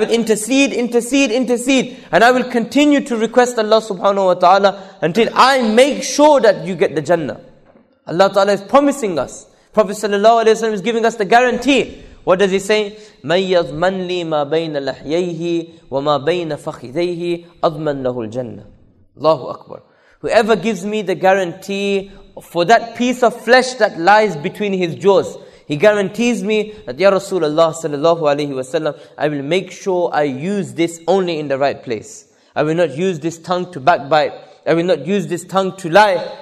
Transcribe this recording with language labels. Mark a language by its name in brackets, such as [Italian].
[English] I will intercede, and I will continue to request Allah subhanahu wa ta'ala until I make sure that you get the Jannah. Allah ta'ala is promising us. Prophet sallallahu alayhi wa sallam is giving us the guarantee. What does he say? [Arabic] مَنْ يَضْمَنْ لِي مَا بَيْنَ لَحْيَيْهِ وَمَا بَيْنَ فَخِذَيْهِ أَضْمَنْ لَهُ الْجَنَّةِ Allahu Akbar. [English] Whoever gives me the guarantee for that piece of flesh that lies between his jaws, he guarantees me that, Ya Rasulullah sallallahu alayhi wa sallam, I will make sure I use this only in the right place. I will not use this tongue to backbite. I will not use this tongue to lie.